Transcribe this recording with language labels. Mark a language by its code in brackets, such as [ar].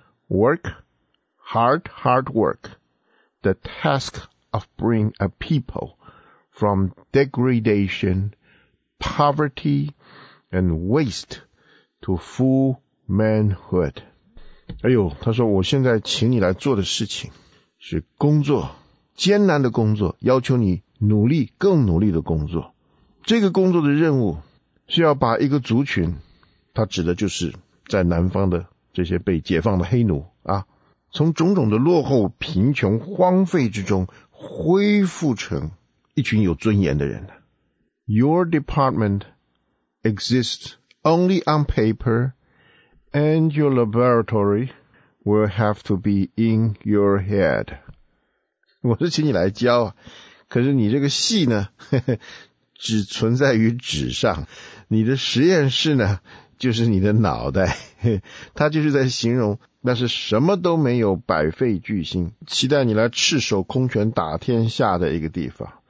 [en] Work, hard work, the task of bring a people from degradation, poverty and waste to full manhood。 [zh] 哎呦，他说我现在请你来做的事情是工作，艰难的工作，要求你努力，更努力的工作。这个工作的任务是要把一个族群，他指的就是在南方的这些被解放的黑奴啊，从种种的落后、贫穷、荒废之中恢复成一群有尊严的人了。 [en] Your department exists only on paper, and your laboratory will have to be in your head. [zh] 我是请你来教，可是你这个戏呢，只存在于纸上，你的实验室呢，就是你的脑袋，他就是在形容那是什么都没有，百废俱兴，期待你来赤手空拳打天下的一个地方。